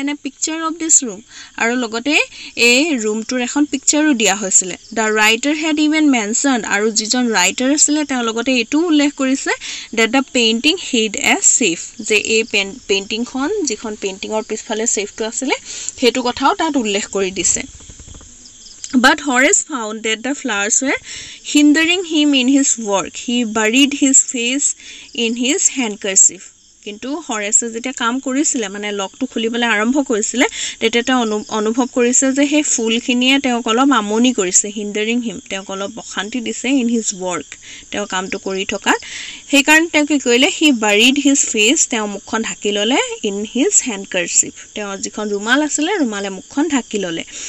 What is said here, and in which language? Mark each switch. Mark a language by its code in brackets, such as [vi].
[en] এনে picture of this room, [as] আৰু লগতে এই ৰুমটোৰ এখন পিকচাৰো দিয়া হৈছিলে। [en] the writer had even mention, [as] আৰু যিজন ৰাইটাৰ আছিলে তেওঁ লগতে এইটোও উল্লেখ কৰিছে [en] that the painting hid a chef, [as] যে এই পেইণ্টিংখন যিখন পেইণ্টিঙৰ পিছফালে চেফটো আছিলে সেইটো কথাও তাত উল্লেখ কৰি দিছে। [en] But Horace found that the flowers were hindering him in his work. He buried his face in his handkerchief. [as] কিন্তু হৰেচে যেতিয়া কাম কৰিছিলে, মানে লকটো খুলিবলৈ আৰম্ভ কৰিছিলে, তেতিয়া তেওঁ অনুভৱ কৰিছে যে সেই ফুলখিনিয়ে তেওঁক অলপ আমনি কৰিছে, [en] hindering him, [as] তেওঁক অলপ অশান্তি দিছে [en] in his work, [as] তেওঁ কামটো কৰি থকাত। সেইকাৰণে তেওঁ কি কৰিলে, [en] he buried his face, [as] তেওঁ মুখখন ঢাকি ল'লে [en] in his handkerchief, [as] তেওঁৰ যিখন ৰুমাল আছিলে ৰুমালে মুখখন ঢাকি ল'লে।